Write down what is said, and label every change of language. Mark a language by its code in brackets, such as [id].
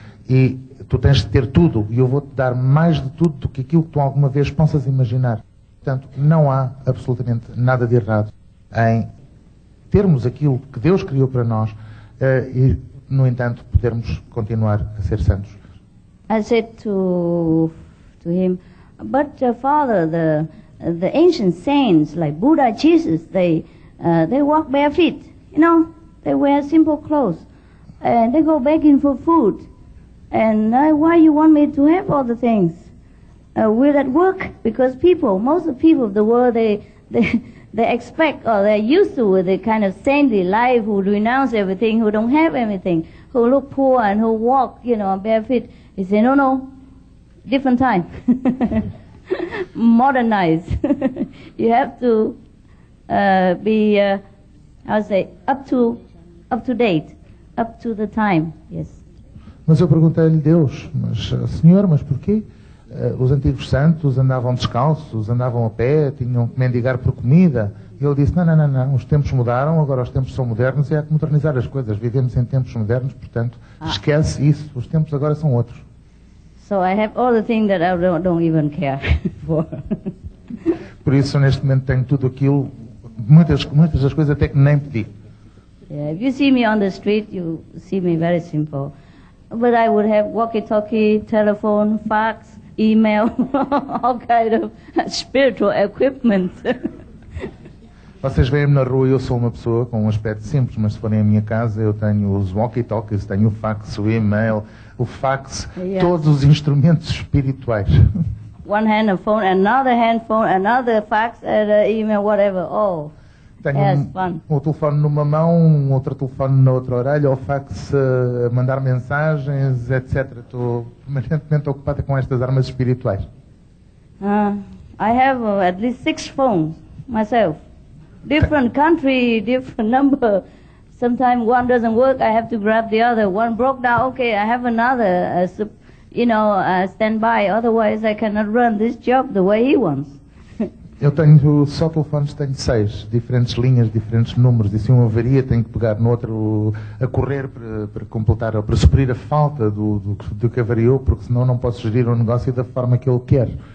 [pt] E tu tens de ter tudo, e eu vou-te dar mais de tudo do que aquilo que tu alguma vez possas imaginar. Portanto, não há absolutamente nada de errado em termos aquilo que Deus criou para nós e, no entanto, podermos continuar a ser santos. [en] I said to him, but Father, the ancient saints, like Buddha, Jesus, they walk bare feet, you know? They wear simple clothes, and they go begging for food. And why you want me to have all the things? Will that work? Because most of the people of the world, they expect or they're used to with a kind of saintly life who renounce everything, who don't have anything, who look poor and who walk, you know, bare feet. He said, no, different time. Modernize. You have to up to date, up to the time, yes. [pt] Mas eu perguntei-lhe, Deus, mas Senhor, mas porquê? Os antigos santos andavam descalços, andavam a pé, tinham que mendigar por comida. E ele disse, não, os tempos mudaram, agora os tempos são modernos e há que modernizar as coisas. Vivemos em tempos modernos, portanto, esquece isso, os tempos agora são outros. [en] So I have all the things that I don't even care for. [pt] Por isso, neste momento, tenho tudo aquilo, muitas das coisas até que nem pedi. [en] Yeah, if you see me on the street, you see me very simple. But I would have walkie-talkie, telephone, fax, email, all kind of spiritual equipment. [pt] Vocês veem-me na rua, eu sou uma pessoa com um aspecto simples, mas se forem à minha casa, eu tenho os walkie-talkies, tenho o fax, o email, o fax, [en] yes. [pt] Todos os instrumentos espirituais. [en] One hand a phone, another hand phone, another fax, and an email, whatever, all. [pt] Tenho um telefone numa mão, um outro telefone na outra orelha, ou fax, mandar mensagens, etc. Estou permanentemente ocupada com estas armas espirituais. [en] I have at least 6 phones, myself. Different country, different number. Sometimes one doesn't work, I have to grab the other. One broke down, okay, I have another, stand by. Otherwise I cannot run this job the way he wants. [pt] Eu tenho só telefones, tenho 6 diferentes linhas, diferentes números, e se uma avaria tenho que pegar no outro a correr para completar ou para suprir a falta do que avariou, porque senão não posso gerir o negócio da forma que ele quer.